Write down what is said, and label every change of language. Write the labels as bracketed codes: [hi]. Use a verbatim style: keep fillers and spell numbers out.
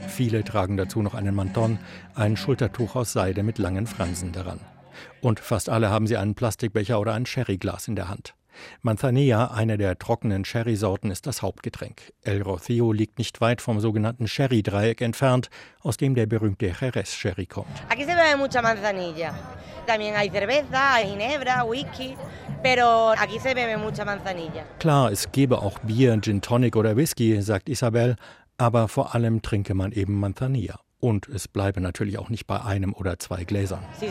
[de] Viele tragen dazu noch einen Manton, ein Schultertuch aus Seide mit langen Fransen daran. Und fast alle haben sie einen Plastikbecher oder ein Sherryglas in der Hand. Manzanilla, eine der trockenen Sherry-Sorten, ist das Hauptgetränk. El Rocío liegt nicht weit vom sogenannten Sherry-Dreieck entfernt, aus dem der berühmte Jerez-Sherry kommt. [es] Aquí se bebe mucha manzanilla. También hay cerveza, hay ginebra, whisky, pero aquí se bebe mucha manzanilla. [de] Klar, es gebe auch Bier, Gin Tonic oder Whisky, sagt Isabel, aber vor allem trinke man eben Manzanilla. Und es bleibe natürlich auch nicht bei einem oder zwei Gläsern.